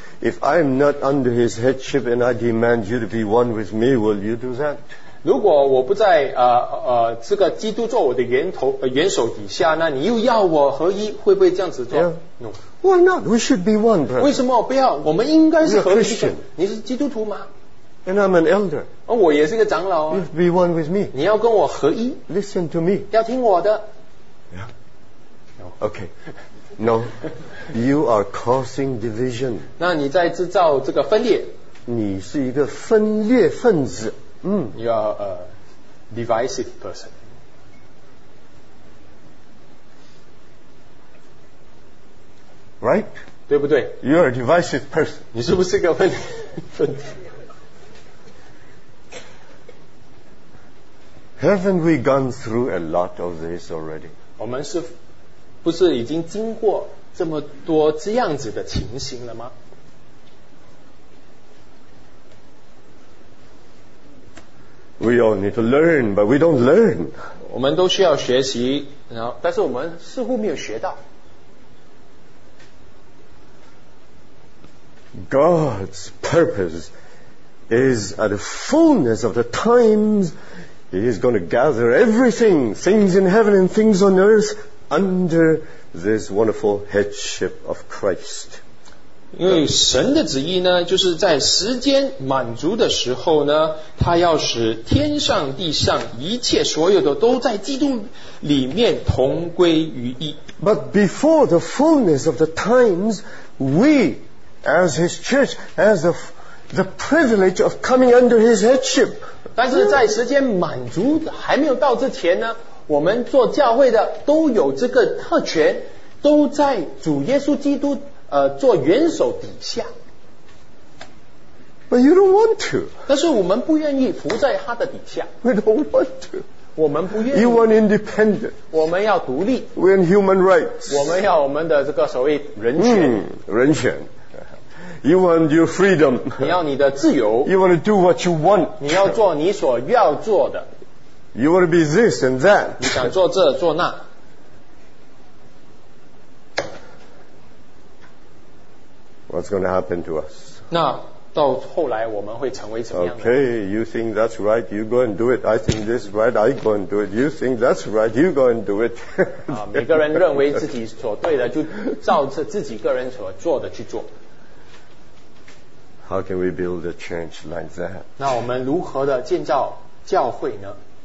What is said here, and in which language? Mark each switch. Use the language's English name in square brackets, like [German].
[English] If I'm not under his headship and I demand you to be one with me, will you do that? [Chinese] 如果我不在这个基督做我的元首底下，那你又要我合一，会不会这样子做？ [English] Yeah. No. Why not? We should be one, brother. [Chinese] 为什么不要？我们应该是合一的。 [English] You're a Christian. [Chinese] 你是基督徒吗？ [English] And I'm an elder. [Chinese] 我也是个长老啊。 [English] You should be one with me. [Chinese] 你要跟我合一。 [English] Listen to me. [Chinese] 要听我的。 [English] Yeah. Okay. No. You are causing division. [Chinese] 那你在制造这个分裂。你是一个分裂分子。 [English] You are a divisive person. Right? [Chinese] 对不对? [English] You are a divisive person. [Chinese] 你是不是个分分子? [English] Haven't we gone through a lot of this already? [Chinese] 我们是不是已经经过这么多这样子的情形了吗? [English] We all need to learn, but we don't learn. [Chinese] 我们都需要学习，但是我们似乎没有学到。 [English] God's purpose is at the fullness of the times, He is going to gather everything, things in heaven and things on earth, under this wonderful headship of Christ. [Chinese] 因为神的旨意呢，就是在时间满足的时候呢，他要使天上地上一切所有的都在基督里面同归于一。 [English] But before the fullness of the times, we, as His church, as the privilege of coming under His headship. [Chinese] 但是在时间满足还没有到之前呢，我们做教会的都有这个特权，都在主耶稣基督。做元首底下。 [English] But you don't want to. [Chinese] 但是我们不愿意服在他的底下。 [English] We don't want to. [Chinese] 我们不愿意。 [English] You want independent. [Chinese] 我们要独立。 [English] We want human rights. [Chinese] 我们要我们的这个所谓人权。嗯，人权。 [English] You want your freedom. [Chinese] 你要你的自由。 [English] You want to do what you want. [Chinese] 你要做你所要做的。 [English] You want to be this and that. [Chinese] 你想做这做那。 [English] What's going to happen to us? [Chinese] 那到后来我们会成为怎么样的? [English] Okay, you think that's right, you go and do it. I think this is right, I go and do it. You think that's right, you go and do it. [Chinese] 每个人认为自己所对的，就照着自己个人所做的去做。 [English] How can we build a church like that? [Chinese] 那我们如何的建造教会呢?